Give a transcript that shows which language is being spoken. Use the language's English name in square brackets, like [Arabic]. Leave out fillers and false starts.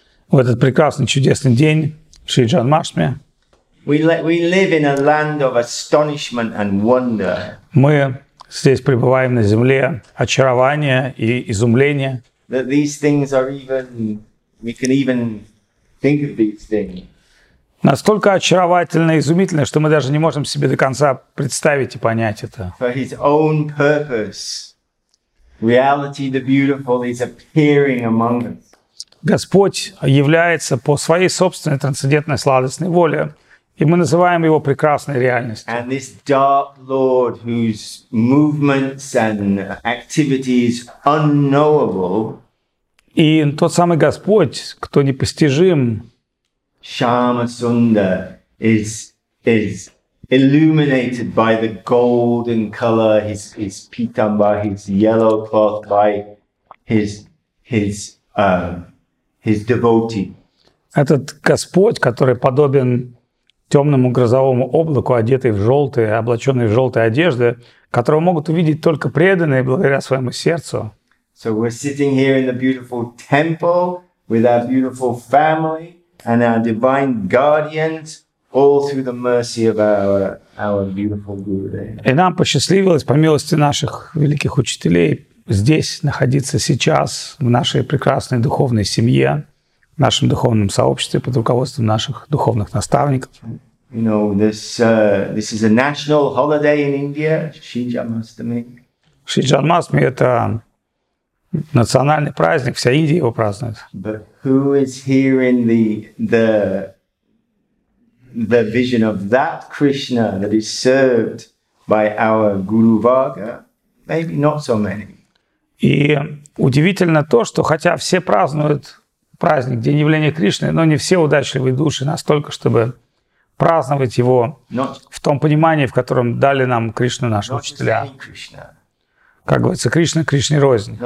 [Russian] В этот прекрасный, чудесный день, Шри Джанмаштами, [English] we live in a land of astonishment and wonder. [Russian] Мы здесь пребываем на земле очарования и изумления. [English] That these things are even, we can even think of these things. [Russian] Настолько очаровательно и изумительно, что мы даже не можем себе до конца представить и понять это. [English] For his own purpose, reality, the beautiful, is appearing among us. [Russian] Господь является по своей собственной трансцендентной сладостной воле, и мы называем его прекрасной реальностью. [English] And this dark Lord, whose movements and activities unknowable, [Russian] и тот самый Господь, кто непостижим, [English] Shyama Sunda is illuminated by the golden color, his pitamba, his yellow cloth, by his devotee. [Russian] Этот Господь, который подобен темному грозовому облаку, одетый в желтые, облаченный в желтые одежды, которого могут увидеть только преданные благодаря своему сердцу. [English] So we're sitting here in the beautiful temple with our beautiful family. And our divine guardians, all through the mercy of our beautiful Guru Dev. [Russian] И нам посчастливилось, по милости наших великих учителей, здесь находиться сейчас, в нашей прекрасной духовной семье, в нашем духовном сообществе, под руководством наших духовных наставников. [English] You know, this is a national holiday in India, Shri Janmashtami. [Russian] Shri Janmashtami – это национальный праздник, вся Индия его празднует. [English] But who is hearing the vision of that Krishna that is served by our Guru Varga? Maybe not so many. [Russian] И удивительно то, что хотя все празднуют праздник День явления Кришны, но не все удачливые души настолько, чтобы праздновать его в том понимании, в котором дали нам Кришну наши учителя. Как говорится, Кришна Кришне рознь.